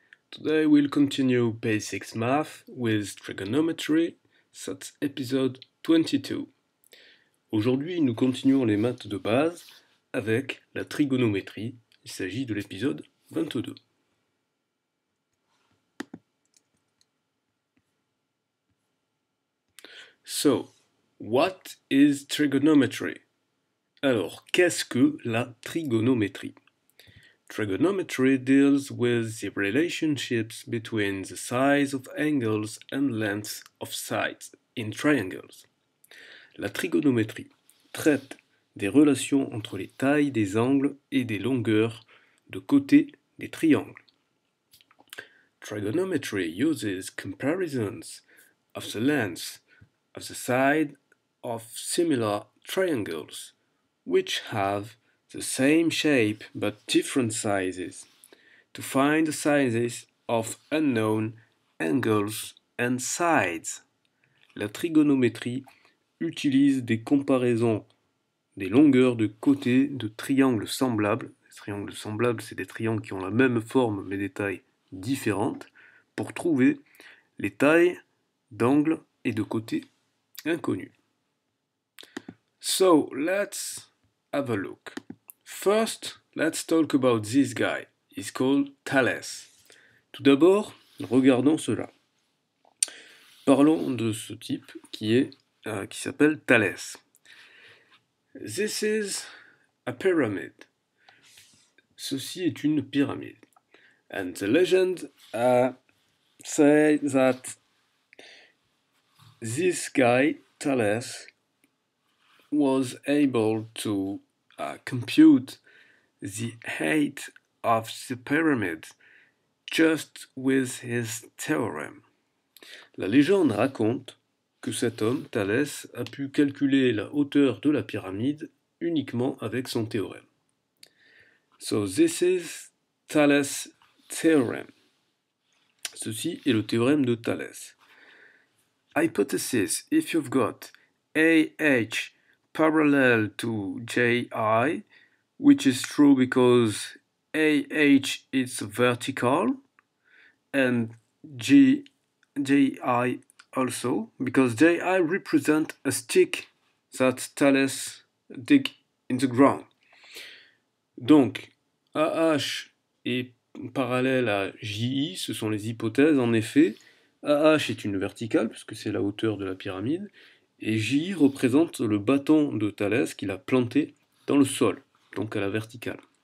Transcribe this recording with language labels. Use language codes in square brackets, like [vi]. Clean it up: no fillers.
[en] Today we'll continue basics math with trigonometry, that's episode 22. [fr] Aujourd'hui nous continuons les maths de base avec la trigonométrie, il s'agit de l'épisode 22. [en] So, what is trigonometry? [fr] Alors, qu'est-ce que la trigonométrie? [en] Trigonometry deals with the relationships between the size of angles and lengths of sides in triangles. [fr] La trigonométrie traite des relations entre les tailles des angles et des longueurs de côtés des triangles. [en] Trigonometry uses comparisons of the lengths of the side of similar triangles, which have the same shape but different sizes, to find the sizes of unknown angles and sides. [fr] La trigonométrie utilise des comparaisons des longueurs de côtés de triangles semblables. Les triangles semblables, c'est des triangles qui ont la même forme mais des tailles différentes, pour trouver les tailles d'angles et de côtés inconnus. [en] So, let's have a look. First, let's talk about this guy. He's called Thales. [fr] Tout d'abord, regardons cela. Parlons de ce type qui s'appelle Thales. [en] This is a pyramid. [fr] Ceci est une pyramide. [en] And the legend says that this guy, Thales, was able to compute the height of the pyramid just with his theorem. [fr] La légende raconte que cet homme, Thalès, a pu calculer la hauteur de la pyramide uniquement avec son théorème. [en] So this is Thalès' theorem. [fr] Ceci est le théorème de Thalès. [en] Hypothesis, if you've got AH parallel to JI, which is true because AH is vertical, and JI also, because JI represent a stick that Thales dig in the ground. [fr] Donc, AH est parallèle à JI, ce sont les hypothèses. En effet, AH est une verticale, puisque c'est la hauteur de la pyramide, et J représente le bâton de Thalès qu'il a planté dans le sol, donc à la verticale.